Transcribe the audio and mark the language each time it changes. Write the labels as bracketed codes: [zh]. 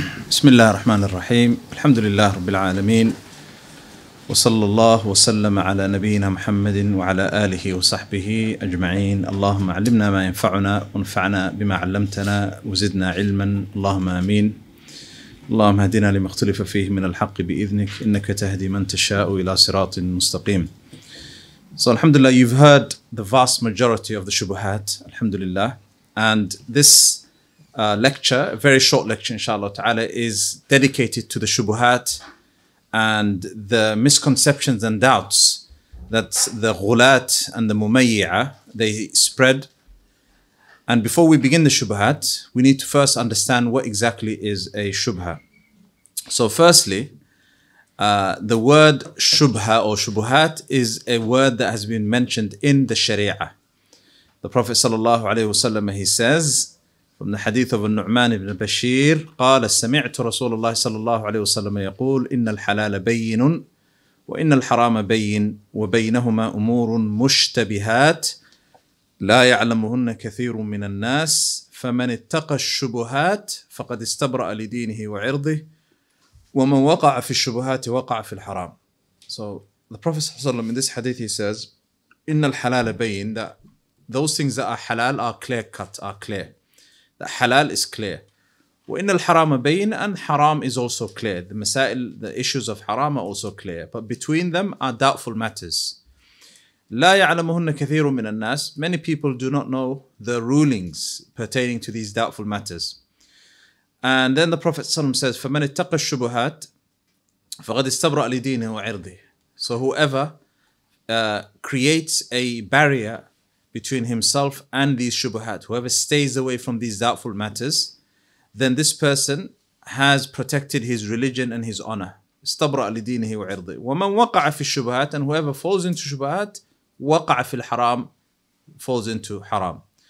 [ar] بسم الله الرحمن الرحيم، الحمد لله رب العالمين، وصلى الله وسلم على نبينا محمد وعلى آله وصحبه أجمعين. اللهم علمنا ما ينفعنا وانفعنا بما علمتنا وزدنا علما، اللهم آمين. اللهم اهدنا لما اختلف فيه من الحق بإذنك، إنك تهدي من تشاء إلى صراط مستقيم. [en] So alhamdulillah, you've heard the vast majority of the shubuhat, alhamdulillah. And this lecture, a very short lecture inshallah ta'ala, is dedicated to the shubuhat and the misconceptions and doubts that the ghulat and the mumayya, they spread. And before we begin the shubhat, we need to first understand what exactly is a shubha. So firstly, the word shubha or shubuhat is a word that has been mentioned in the sharia. The Prophet sallallahu alayhi wasallam, he says, from the hadith of Nu'man ibn Bashir, [ar] قَالَ سَمِعْتُ رَسُولَ اللَّهِ صَلَى اللَّهُ عَلَيْهُ وَسَلَّمَ يَقُولُ إِنَّ الْحَلَالَ بَيِّنٌ وَإِنَّ الْحَرَامَ بَيِّنٌ وَبَيْنَهُمَا أُمُورٌ مُشْتَبِهَاتٌ لَا يَعْلَمُهُنَّ كَثِيرٌ مِّنَ النَّاسِ فَمَنِ اتَّقَ الشُّبُهَاتِ فَقَدْ اسْتَبْرَأَ لِدِينِهِ وَعِرْضِهِ وَمَنْ وَقَعَ فِي الشُّبُهَاتِ وَقَعَ فِي الْحَرَامِ. [en] So the Prophet ﷺ, in this hadith, he says, [ar] إِنَّ الْحَلَالَ بَيِّنٌ, [en] that those things that are halal are clear cut, are clear. That halal is clear. [ar] وَإِنَّ الْحَرَامَ بَيْنَ, [en] and haram is also clear. The masail, the issues of haram are also clear. But between them are doubtful matters. [ar] لَا يَعْلَمُهُنَّ كَثِيرٌ مِّنَ النَّاسِ, [en] many people do not know the rulings pertaining to these doubtful matters. And then the Prophet ﷺ says, [ar] فَمَنِ اتَّقَ الشُّبُهَاتِ فَغَدِ اسْتَبْرَأَ لِدِينِهِ وَعِرْضِهِ. [en] So whoever creates a barrier between himself and these shubuhat, whoever stays away from these doubtful matters, then this person has protected his religion and his honor. [ar] استبرأ لدينه وعرضه. ومن وقع في الشبهات, [en] and whoever falls into shubuhat, [ar] وقع في الحرام, [en] falls into haram.